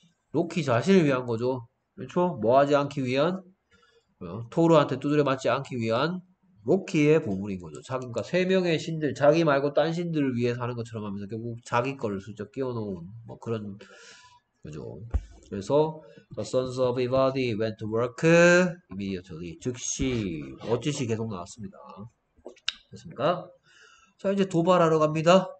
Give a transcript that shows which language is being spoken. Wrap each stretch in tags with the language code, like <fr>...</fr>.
<ko>로키 자신을 위한 거죠. 그렇죠? 뭐 하지 않기 위한? 토르한테 두드려 맞지 않기 위한? 로키의 보물인 거죠. 자기가 세 명의 신들, 자기 말고 딴 신들을 위해 사는 것처럼 하면서 결국 자기 거를 슬쩍 끼워놓은 뭐 그런 거죠. 그래서</ko> <en>The sons of Ivadi went to work immediately.</en> <ko>즉시 어짓이 계속 나왔습니다. 됐습니까? 자, 이제 도발하러 갑니다.</ko>